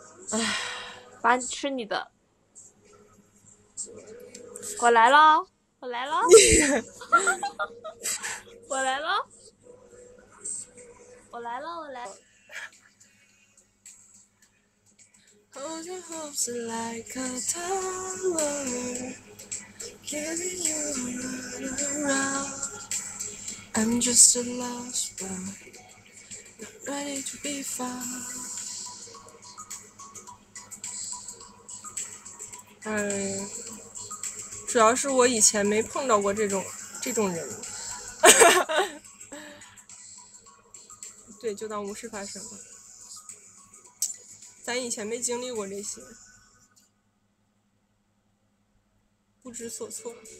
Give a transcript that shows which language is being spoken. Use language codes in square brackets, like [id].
[zh] 哎，把你吃你的，我来了，我来了，我来了，我来了，我来。 [en] Hold your hopes like a toddler, giving you a run around. I'm just a lost boy, not ready to be found. [zh] 主要是我以前没碰到过这种人。对，就当无事发生了。咱以前没经历过这些，不知所措。